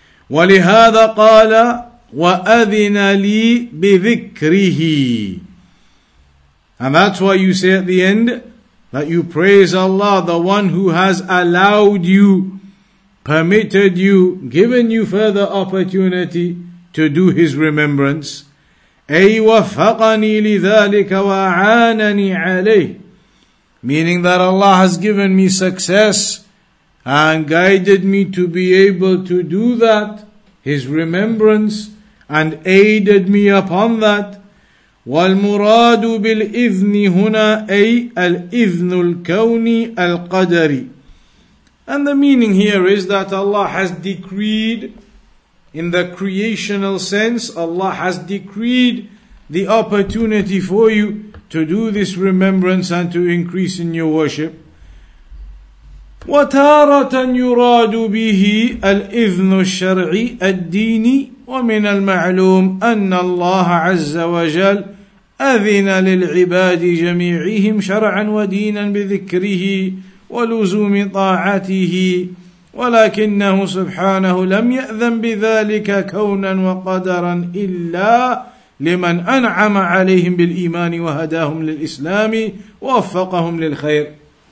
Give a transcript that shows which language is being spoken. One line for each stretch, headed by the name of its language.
Arabic: وَلِهَذَا قَالَ وَأَذِنَ لِي بِذِكْرِهِ.
English: And that's why you say at the end that you praise Allah, the one who has allowed you, permitted you, given you further opportunity to do his remembrance.
Arabic: أي وفقني لذلك وأعانني عليه.
English: Meaning that Allah has given me success and guided me to be able to do that, his remembrance, and aided me upon that.
Arabic: والمراد بالإذن هنا أي الإذن الكوني القدري.
English: And the meaning here is that Allah has decreed, in the creational sense, Allah has decreed the opportunity for you to do this remembrance and to increase in your worship.
Arabic: وَتَارَةً يُرَادُ بِهِ الْإِذْنُ الشَّرْعِ الدِّينِ وَمِنَ الْمَعْلُومِ أَنَّ اللَّهَ عَزَّ وَجَلْ أَذِنَ لِلْعِبَادِ جَمِيعِهِمْ شَرْعًا وَدِينًا بِذِكْرِهِ وَلُزُومِ طَاعَتِهِ وَلَكِنَّهُ سُبْحَانَهُ لَمْ يَأْذَنْ بِذَلِكَ كَوْنًا وَقَدَرًا إِلَّا لِمَنْ أَنْعَمَ عَلَيْهِمْ بِالْإِيمَانِ وَهَدَاهُمْ لِلْإِسْلَامِ وَوَفَّقَهُمْ لِلْخَيْرِ.